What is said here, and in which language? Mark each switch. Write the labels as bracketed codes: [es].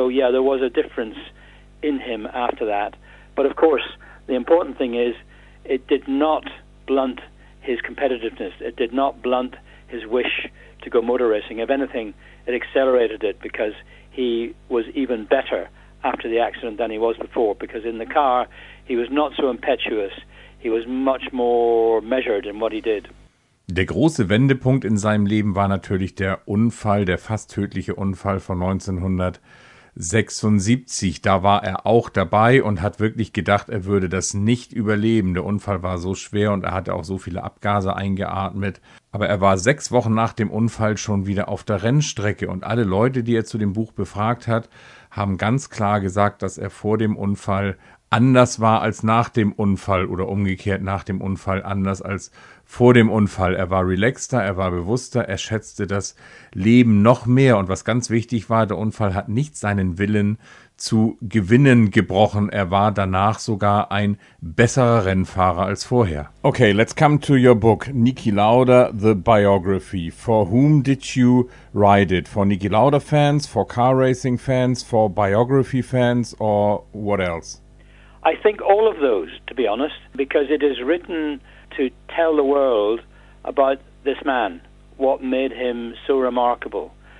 [en] So yeah, there was a difference in him after that, but of course, the important thing is, it did not blunt his competitiveness. It did not blunt his wish to go motor racing. If anything, it accelerated it because he was even better after the accident than he was before. Because in the car, he was not so impetuous. He was much more measured in what he did. [de] Der große Wendepunkt in seinem Leben war natürlich der Unfall, der fast tödliche Unfall von 1976, da war er auch dabei und hat wirklich gedacht, er würde das nicht überleben. Der Unfall war so schwer und er hatte auch so viele Abgase eingeatmet. Aber er war 6 Wochen nach dem Unfall schon wieder auf der Rennstrecke und alle Leute, die er zu dem Buch befragt hat, haben ganz klar gesagt, dass er vor dem Unfall anders war als nach dem Unfall oder umgekehrt nach dem Unfall anders als vor dem Unfall. Er war relaxter, er war bewusster, er schätzte das Leben noch mehr. Und was ganz wichtig war, der Unfall hat nicht seinen Willen zu gewinnen gebrochen. Er war danach sogar ein besserer Rennfahrer als vorher. [en] Okay, let's come to your book, Niki Lauda, The Biography. For whom did you write it? For Niki Lauda fans, for car racing fans, for biography fans, or what else? I think all of those, to be honest, because it is written to tell the world about this man, what made him so remarkable.